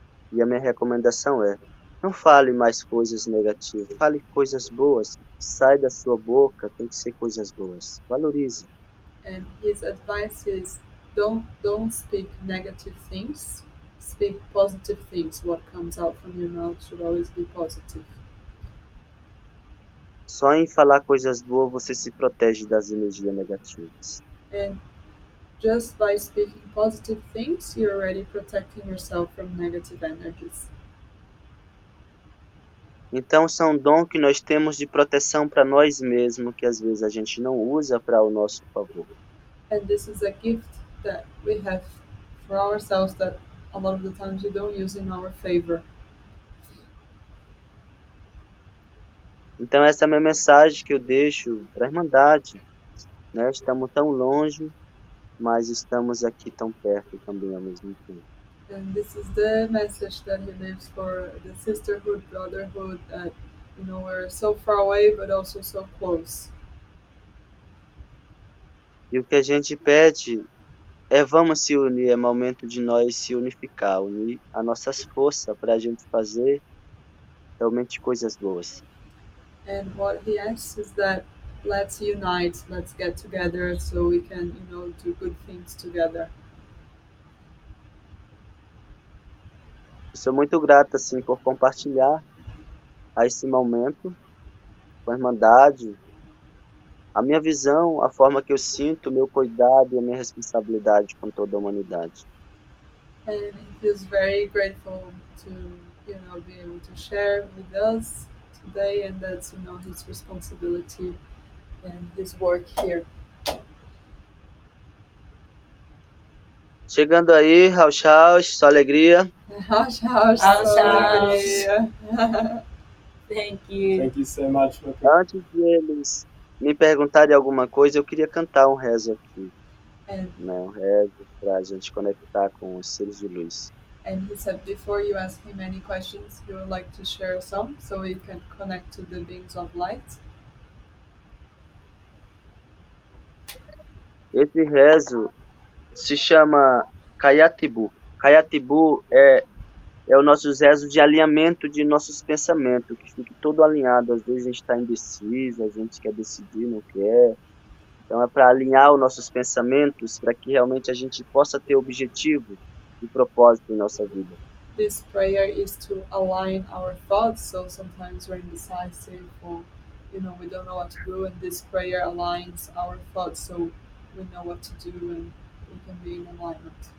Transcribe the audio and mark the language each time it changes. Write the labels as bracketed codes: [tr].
[pt] E a minha recomendação é: não fale mais coisas negativas, fale coisas boas. Sai da sua boca, tem que ser coisas boas. Valorize. [en] And his advice is don't speak negative things. Speak positive things. What comes out from your mouth should always be positive. [pt] Só em falar coisas boas você se protege das energias negativas. [en] And just by speaking positive things, you're already protecting yourself from negative energies. [pt] Então, são dons que nós temos de proteção para nós mesmos, que às vezes a gente não usa para o nosso favor. [en] And this is a gift that we have for ourselves that a lot of the times we don't use in our favor. [pt] Então, essa é a minha mensagem que eu deixo para a Irmandade, né? Estamos tão longe, mas estamos aqui tão perto também ao mesmo tempo. [en] And this is the message that he leaves for the sisterhood, brotherhood, that, we're so far away, but also so close. [pt] E o que a gente pede é vamos se unir, é momento de nós se unificar, unir as nossas forças para a gente fazer realmente coisas boas. [en] And what he asks is that let's unite, let's get together so we can, do good things together. [pt] Sou muito grata assim por compartilhar a esse momento com a Irmandade. A minha visão, a forma que eu sinto, o meu cuidado e a minha responsabilidade com toda a humanidade. [en] And he feels very grateful to, be able to share with us. Today, and that's, his responsibility and his work here. [pt] Chegando aí, [en] house house, [pt] só alegria. [en] House, house, [pt] só [en] house. [pt] alegria. [en] Thank Thank you. you so much, my people. [pt] Antes de eles me perguntarem alguma coisa, eu queria cantar um rezo aqui. Né? Um rezo para a gente conectar com os seres de luz. [en] And he said, before you ask him any questions, he would like to share some so we can connect to the beings of light. [pt] Esse rezo se chama Kayatibu. Kayatibu é o nosso rezo de alinhamento de nossos pensamentos, que fica todo alinhado. Às vezes a gente está indeciso, a gente quer decidir, não quer. Então é para alinhar os nossos pensamentos para que realmente a gente possa ter objetivo e propósito em nossa vida. [en] This prayer is to align our thoughts. So sometimes we're indecisive, or we don't know what to do, and this prayer aligns our thoughts so we know what to do and we can be in alignment.